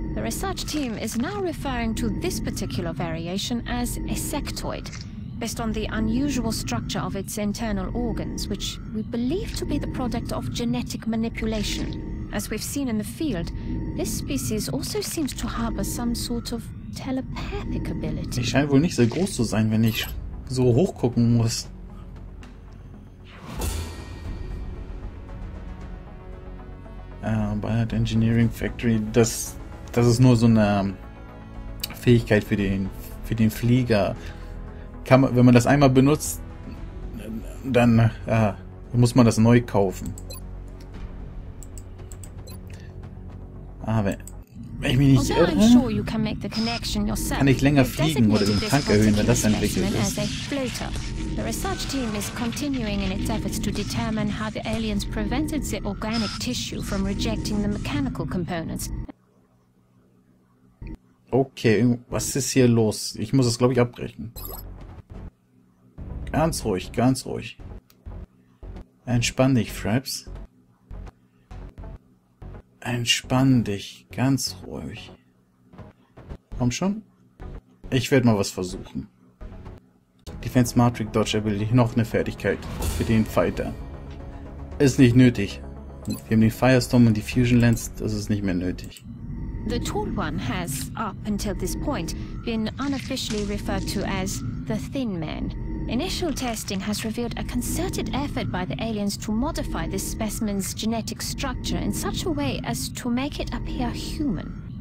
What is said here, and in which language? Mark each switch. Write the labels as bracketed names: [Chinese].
[English] The research team is now referring to this particular variation as a sectoid, based on the unusual structure of its internal organs, which we believe to be the product of genetic manipulation. As we've seen in the field, this species also seems to harbor some sort of telepathic ability. [German] Ich scheine wohl nicht sehr groß zu sein, wenn ich so hochgucken muss. Biohard Engineering Factory, das ist nur so eine Fähigkeit für den Flieger. Kann man, wenn man das einmal benutzt, dann muss man das neu kaufen. Wenn ich mich nicht irre, kann ich länger fliegen oder den Tank erhöhen, wenn das entwickelt ist. [English] The research team is continuing in its efforts to determine how the aliens prevented the organic tissue from rejecting the mechanical components. [German] Okay, was ist hier los? Ich muss das, glaube ich, abbrechen. Ganz ruhig, ganz ruhig. Entspann dich, Fraps. Entspann dich, ganz ruhig. Komm schon. Ich werde mal was versuchen. Defense Matrix Dodge Ability, noch eine Fertigkeit für den Fighter. Ist nicht nötig. Wir haben den Firestorm und die Fusion Lens, das ist nicht mehr nötig. [English] The tall one has, up until this point, been unofficially referred to as the thin man. Initial testing has revealed a concerted effort by the aliens to modify this specimen's genetic structure in such a way as to make it appear human.